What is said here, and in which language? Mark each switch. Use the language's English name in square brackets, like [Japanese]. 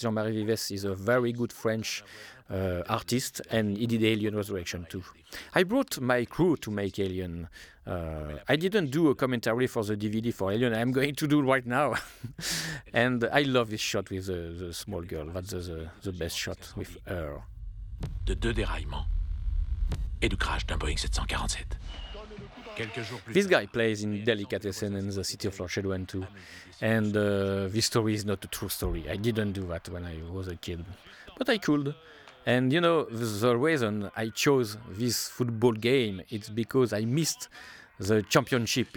[English] Jean-Marie Vives is a very good French artist, and he did Alien Resurrection too. I brought my crew to make Alien. I didn't do a commentary for the DVD for Alien. I'm going to do it right now. And I love this shot with the small girl. That's the best shot with her. [French] De deux déraillements et du crash d'un Boeing 747. [English] This guy plays in Delicatessen in the City of Lost Shadow 2. And this story is not a true story. I didn't do that when I was a kid. But I could. And you know, the reason I chose this football game, it's because I missed the championship.